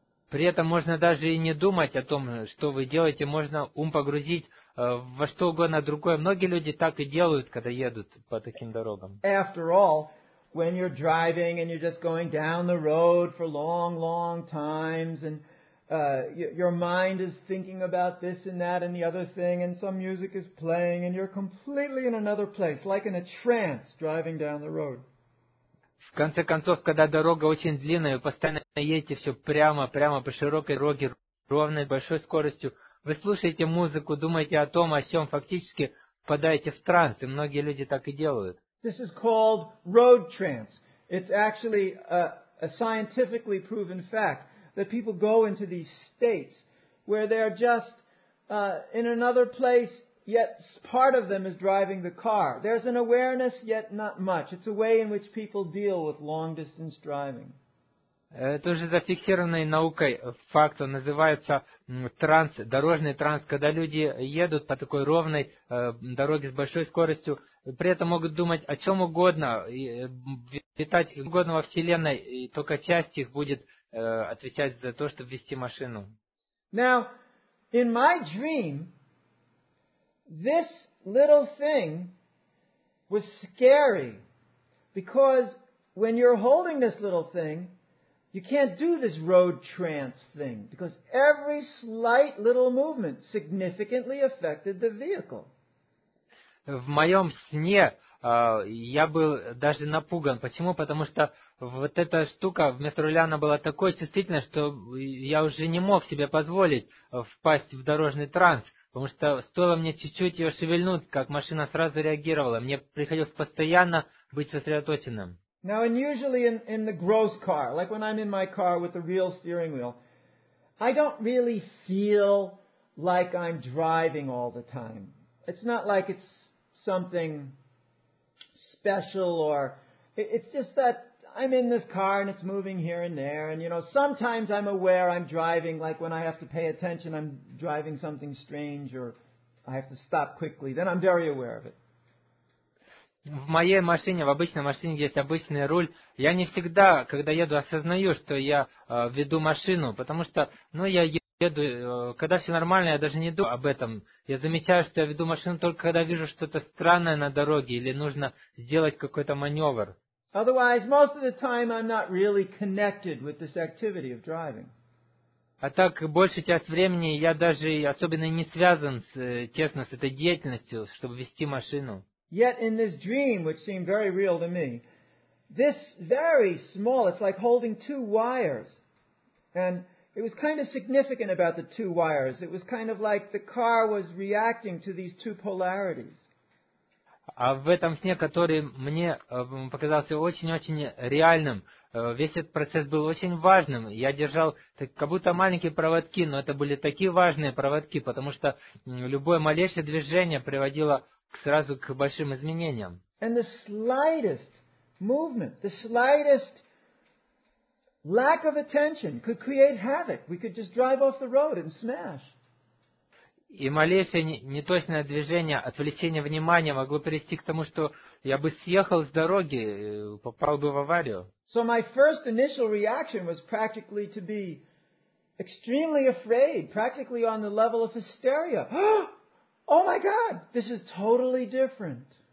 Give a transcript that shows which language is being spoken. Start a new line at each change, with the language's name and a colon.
Russian: При этом можно даже и не думать о том, что вы делаете. Можно ум погрузить во что угодно другое. Многие люди так и делают, когда едут по таким дорогам.
English: After all, when you're driving and you're just going down the road for long, long times, and your mind is thinking about this and that and the other thing, and some music is playing, and you're completely in another place, like in a trance, driving down the road.
Russian: в конце концов, когда дорога очень длинная, вы постоянно едете все прямо, прямо по широкой дороге, ровной, большой скоростью, вы слушаете музыку, думаете о том, о чем, фактически впадаете в транс, и многие люди так и делают.
English: This is called road trance. It's actually a scientifically proven fact that people go into these states where they're just in another place, yet part of them is driving the car. There's an awareness, yet not much. It's a way in which people deal with long-distance driving.
Russian: Это уже зафиксированный наукой факт, он называется транс, дорожный транс, когда люди едут по такой ровной дороге с большой скоростью, при этом могут думать о чем угодно, витать как угодно во Вселенной, и только часть их будет отвечать за то, чтобы вести машину.
English: Now, in my dream, this little thing was scary, because when you're holding this little thing, you can't do this road trance thing, because every slight little movement significantly affected the vehicle.
Russian: В моем сне я был даже напуган. Почему? Потому что вот эта штука вместо руля, она была такой чувствительной, что я уже не мог себе позволить впасть в дорожный транс. Потому что стоило мне чуть-чуть ее шевельнуть, как машина сразу реагировала. Мне приходилось постоянно быть сосредоточенным.
English: Now, unusually in the gross car, like when I'm in my car with the real steering wheel, I don't really feel like I'm driving all the time. It's not like it's something special, or it's just that I'm in this car and it's moving here and there, and you know, sometimes I'm aware I'm driving, like when I have to pay attention, I'm driving something strange, or I have to stop quickly, then I'm very aware of it.
Russian: В моей машине, в обычной машине, где есть обычный руль, я не всегда, когда еду, осознаю, что я веду машину, потому что, ну, я еду, когда все нормально, я даже не думаю об этом. Я замечаю, что я веду машину только когда вижу что-то странное на дороге или нужно сделать какой-то маневр.
English: Otherwise, most of the time I'm not really connected with this activity of driving.
Russian: А так, большую часть времени я даже особенно не связан тесно с этой деятельностью, чтобы вести машину.
English: Yet in this dream, which seemed very real to me, this very small, it's like holding two wires. And it was kind of significant about the two wires. It was kind of like the car was reacting to these two polarities.
Russian: А в этом сне, который мне показался очень-очень реальным, весь этот процесс был очень важным. Я держал так, как будто маленькие проводки, но это были такие важные проводки, потому что любое малейшее движение приводило сразу к большим изменениям.
English: And the slightest movement, the slightest lack of attention could create havoc. We could just drive off the road and smash.
Russian: И малейшее неточное движение, отвлечение внимания могло привести к тому, что я бы съехал с дороги, попал бы в аварию.
English: So my first initial reaction was practically to be extremely afraid, practically on the level of hysteria. Oh my God, this is totally different.